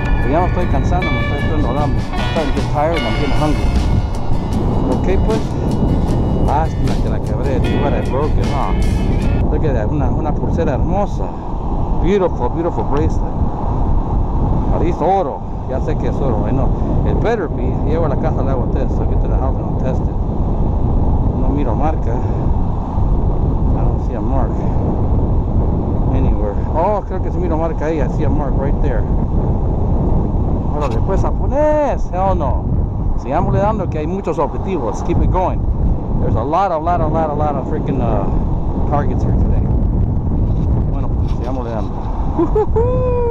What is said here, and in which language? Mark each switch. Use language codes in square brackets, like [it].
[es] Ya me estoy cansando, me estoy haciendo hambre. [en] I'm starting to get tired and I'm getting hungry. [es] Ok, pues, lástima que la quebré, [en] but I broke it, huh? Look at that, [es] una pulsera hermosa. [en] Beautiful, beautiful bracelet. At least [es] oro, ya sé que es oro, [en] I know. It better be, [es] llevo a la casa, le hago test, [en] I'll get to the house and I'll test it. [es] No miro marca. [en] I don't see a mark anywhere. [es] Oh, creo que si miro marca ahí, [en] I see a mark right there. [es] Ahora después a poner, hell no. Sigamos le dando que hay muchos objetivos. [en] Keep it going. There's a lot of freaking targets here today. [es] Bueno, pues, sigamos le dando.